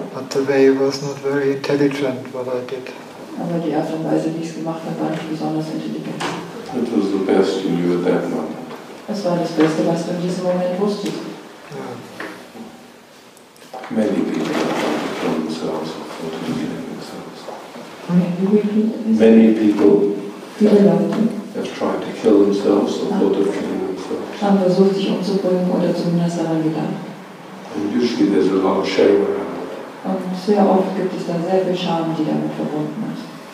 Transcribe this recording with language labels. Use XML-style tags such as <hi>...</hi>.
<en>The way was not very intelligent what I did.</en> <de>Aber die Art und Weise, wie ich es gemacht habe, war nicht besonders intelligent.</de> <en>It was the best you knew at that moment.</en> <de>Es war das Beste, was du in diesem Moment wusstest.</de> <en>Yeah. Many people kill themselves or thought of killing themselves. Many people have tried to kill themselves or thought of killing themselves.</en> <de>Haben versucht, sich umzubringen oder zumindest daran gedacht.</de> <en>And usually there's a lot of shame around.</en> <de>Und sehr oft gibt es dann sehr viel Scham, die damit verbunden ist.</de>